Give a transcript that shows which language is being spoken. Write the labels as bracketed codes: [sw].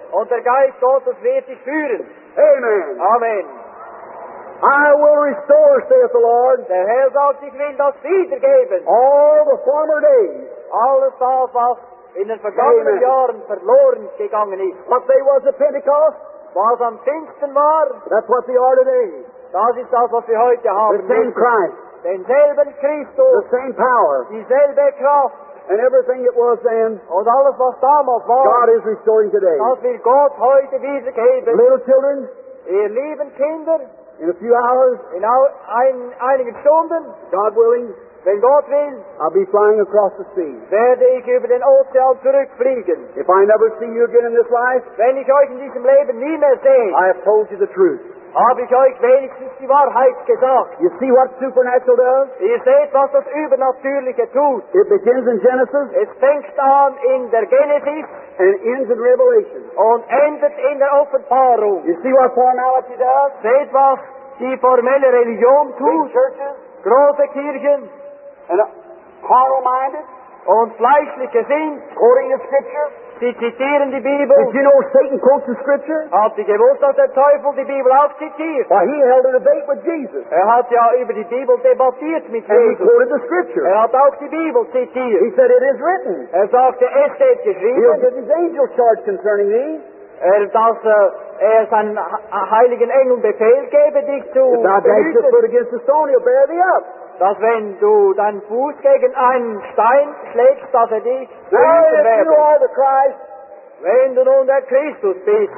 [de] Und der Geist Gottes wird dich führen. [en] Amen. [de] Amen. [en] I will restore, saith the Lord. [de] Der Herr sagt, ich will das wiedergeben. [en] All the former days. [de] Alles das, was in den vergangenen Jahren verloren gegangen ist. [en] What they was at Pentecost. [de] Was am Pfingsten war. [en] That's what they are today. [de] Das ist das, was wir heute haben. [en] The same Christ. [de] Denselben Christus. [en] The same power. [de] Dieselbe Kraft. [en] And everything it was then. [de] Und alles, was damals war. [en] God is restoring today. [de] Das will Gott heute wiedergeben. [en] Little children. [de] Ihr lieben Kinder. [en] In a few hours, [de] in einigen Stunden, [en] God willing, [de] wenn Gott will, [en] I'll be flying across the sea. [de] Werde ich über den Ozean zurückfliegen. [en] If I never see you again in this life, [de] wenn ich euch in diesem Leben nie mehr sehe, [en] I have told you the truth. [de] Habe ich euch wenigstens die Wahrheit gesagt. [en] You see what supernatural does? [de] Ihr seht, was das Übernatürliche tut. [en] It begins in Genesis. [de] Es fängt an in der Genesis. [en] And ends in Revelation. [de] Und endet in der Offenbarung. [en] You see what formality does? [de] Seht, was die formelle Religion tut. [en] Big churches. [de] Große Kirchen. [en] And carnal-minded. [de] Und fleischliche sind. [en] Quoting the scriptures. [de] Sie zitieren die Bibel. [en] Did you know Satan quotes the scripture? [de] Habt ihr gewusst, dass der Teufel die Bibel auch zitiert? [en] Why, he held a debate with Jesus. [de] Er hat ja über die Bibel debattiert mit [en] and [de] Jesus. [en] He quoted the scripture. [de] Er hat auch die Bibel zitiert. [en] He said, it is written. [de] Er sagte, es steht geschrieben. [en] He'll give his angel charge concerning thee. [de] Er dass er seinen heiligen Engeln Befehl gebe, dich zu behüten. Dass wenn du deinen Fuß gegen einen Stein schlägst, dass er dich behüten. Wenn du nun der Christus bist,